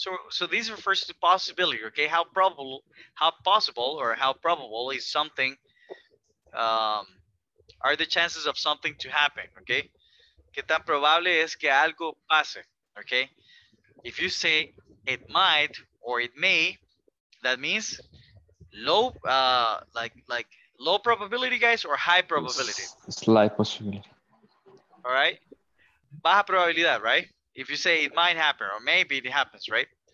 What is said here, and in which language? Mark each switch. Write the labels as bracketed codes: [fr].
[en] So these refers to possibility, okay? How probable is something, are the chances of something to happen, okay? [es] ¿Qué tan probable es que algo pase, okay? [en] If you say it might or it may, that means low, like low probability, guys, or high probability? Slight possibility. All right? [es] Baja probabilidad, [en] right? If you say it might happen or maybe it happens, right?